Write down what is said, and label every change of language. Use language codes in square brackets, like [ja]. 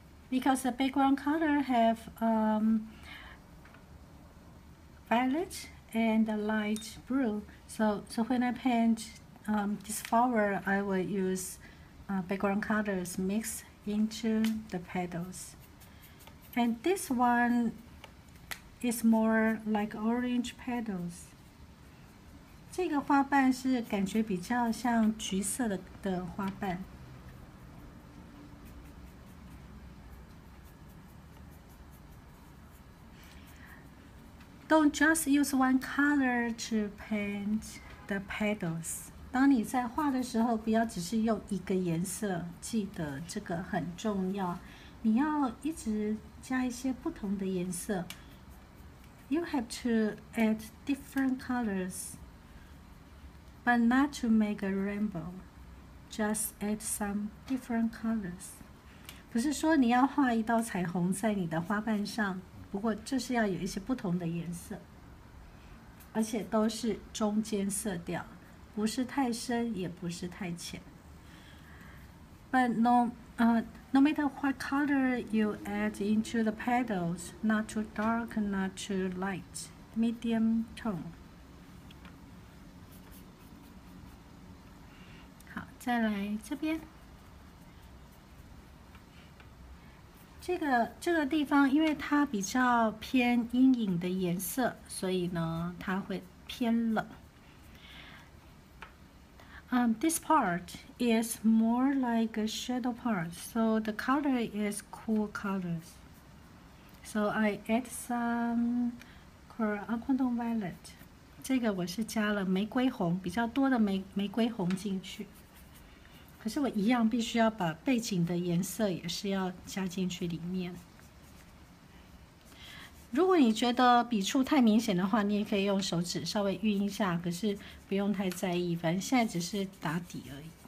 [en] because the background color have violet and the light blue. So when I paint this flower, I will use background colors mixed into the petals. And this one is more like orange petals. [zh] 这个花瓣是感觉比较像橘色 的花瓣。 [en] Don't just use one color to paint the petals. [zh] 当你在画的时候，不要只是用一个颜色，记得这个很重要。你要一直加一些不同的颜色。 [en] You have to add different colors, but not to make a rainbow. Just add some different colors. [zh] 不是说你要画一道彩虹在你的花瓣上，不过就是要有一些不同的颜色，而且都是中间色调，不是太深也不是太浅。 [en] But no matter what color you add into the petals, not too dark, not too light, medium tone. [zh] 好，再来这边。这个地方因为它比较偏阴影的颜色，所以呢它会偏冷。 [en] This part is more like a shadow part, so the color is cool colors. So I add some aquatone violet. [zh] 这个我是加了玫瑰红，比较多的玫瑰红进去。可是我一样必须要把背景的颜色也是要加进去里面。如果你觉得笔触太明显的话，你也可以用手指稍微晕一下，可是不用太在意，反正现在只是打底而已。